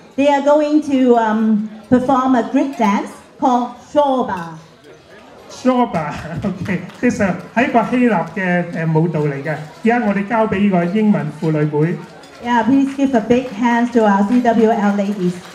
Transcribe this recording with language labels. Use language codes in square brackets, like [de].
[en] They are going to perform a Greek dance called Shorba. Shorba, okay. This is [yue] 喺個希臘嘅舞蹈嚟嘅。而家我哋交俾呢個英文婦女會。 [en] Yeah, please give a big hand to our CWL ladies.